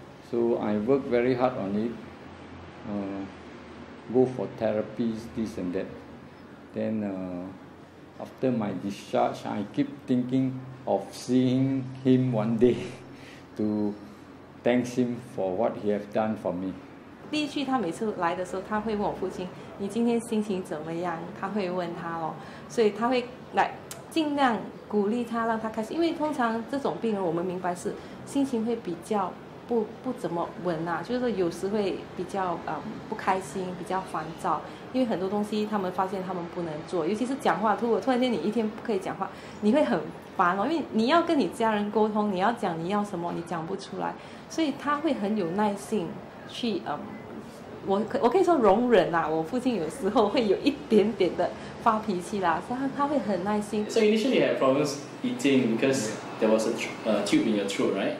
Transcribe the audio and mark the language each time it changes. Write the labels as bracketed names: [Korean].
[English] So I work very hard on it, go for therapies, this and that. Then after my discharge, I keep thinking of seeing him one day to... Thanks him for what he has done for me. [Chinese] 第一句他每次来的时候，他会问我父亲：“你今天心情怎么样？” 他会问他哦，所以他会来尽量鼓励他，让他开心。因为通常这种病人，我们明白是心情会比较不怎么稳啊，就是说有时会比较不开心，比较烦躁，因为很多东西他们发现他们不能做，尤其是讲话。如果突然间你一天不可以讲话，你会很。因为你要跟你家人沟通，你要讲你要什么，你讲不出来，所以他会很有耐心去我可以说容忍啦、我父亲有时候会有一点点的发脾气啦，所以他会很耐心。 [English] So initially you had problems eating because there was a tube in your throat, right?